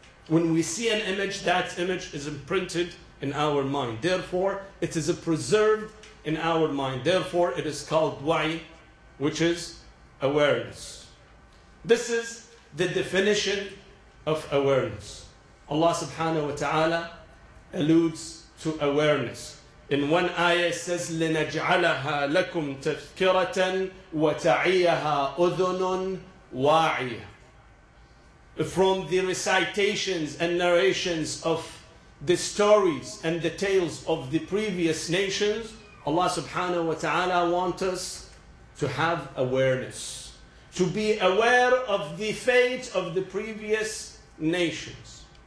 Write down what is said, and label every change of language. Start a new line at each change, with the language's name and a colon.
English: When we see an image, that image is imprinted in our mind. Therefore, it is preserved in our mind. Therefore, it is called wa'i, which is awareness. This is the definition of awareness. Allah subhanahu wa ta'ala alludes to awareness. In one ayah, it says,
Arabic: لِنَجْعَلَهَا لَكُمْ تَذْكِرَةً وَتَعِيَهَا أُذُنٌ وَاعِيَةً.
English: From the recitations and narrations of the stories and the tales of the previous nations, Allah subhanahu wa ta'ala wants us to have awareness, to be aware of the fate of the previous nations.